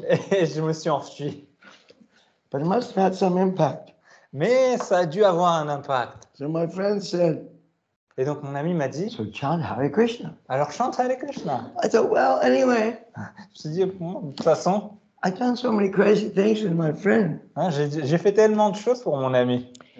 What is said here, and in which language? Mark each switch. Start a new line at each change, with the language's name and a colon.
French: Et je me suis enfui.
English: But it must have had some impact.
French: Mais ça a dû avoir un impact.
English: So my friend said.
French: Et donc mon ami m'a dit.
English: So chant Hare Krishna.
French: Alors chante Hare Krishna.
English: I thought well anyway.
French: Je me suis dit bon, de toute façon.
English: I've done so many crazy things with my friend.
French: J'ai fait tellement de choses pour mon ami.